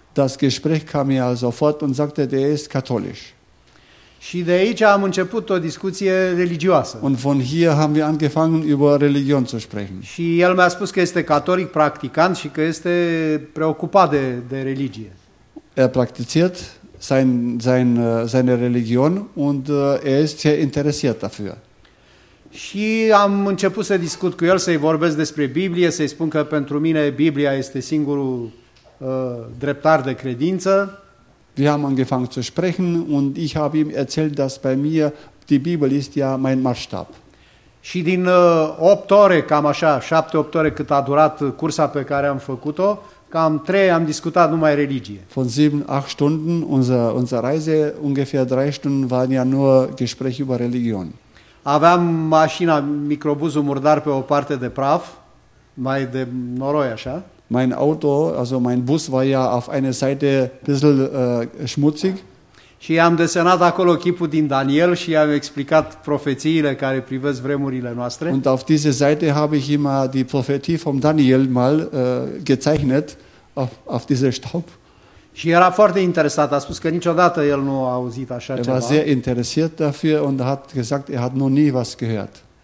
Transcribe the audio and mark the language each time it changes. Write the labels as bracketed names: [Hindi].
[German] Das Gespräch kam ja sofort und sagte, der ist katholisch. [Romanian] Și de aici am început o discuție religioasă. [German] Und von hier haben wir angefangen über Religion zu sprechen. [Romanian] Și el mi-a spus că este catolic practicant și că este preocupat de religie. [German] Er praktiziert seine Religion und er ist sehr interessiert dafür. [Romanian] Și am început să discut cu el, să-i vorbesc despre Biblie, să-i spun că pentru mine Biblia este singurul dreptar de credință. [German] Wir haben angefangen zu sprechen und ich habe ihm erzählt, dass bei mir die Bibel ist ja mein Maßstab. [Romanian] Și din 8 ore, cam așa, 7-8 ore cât a durat cursa pe care am făcut-o, cam 3 am discutat numai religie. [German] Von 7-8 Stunden unsere Reise, ungefähr 3 Stunden waren ja nur Gespräche über Religion. [Romanian] Aveam mașina, microbuzul murdar pe o parte de praf, mai de noroi așa. [German] Mein Auto, also mein Bus war ja auf einer Seite ein bisschen schmutzig. [Romanian] Și am desenat acolo chipul din Daniel și i-am explicat profețiile care privesc vremurile noastre. [German] Und auf diese Seite habe ich immer die Prophetie vom Daniel mal gezeichnet auf dieser Staub. [Romanian] Și era foarte interesat, a spus că niciodată el nu a auzit așa ceva. [German] Er war sehr interessiert dafür und hat gesagt, er hat noch nie was gehört.